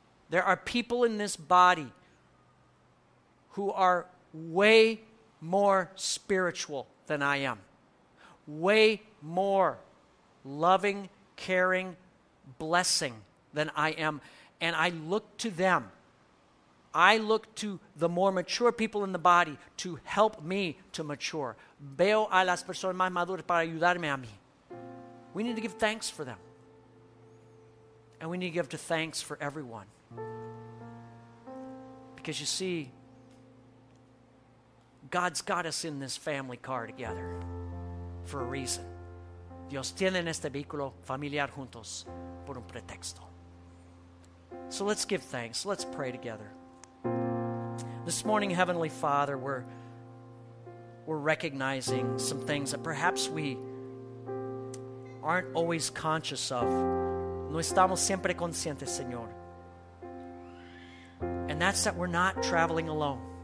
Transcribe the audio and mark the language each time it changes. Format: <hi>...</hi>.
<en>There are people in this body who are way more spiritual than I am. Way more loving, caring, blessing than I am. And I look to them. I look to the more mature people in the body to help me to mature.</en> <es>Veo a las personas más maduras para ayudarme a mí.</es> <en>We need to give thanks for them. And we need to give to thanks for everyone. Because you see, God's got us in this family car together for a reason.</en> <es>Dios tiene en este vehículo familiar juntos por un pretexto.</es> <en>So let's give thanks. Let's pray together. This morning, Heavenly Father, we're recognizing some things that perhaps we aren't always conscious of.</en> <es>No estamos siempre conscientes, Señor.</es> <en>And that's that we're not traveling alone.</en>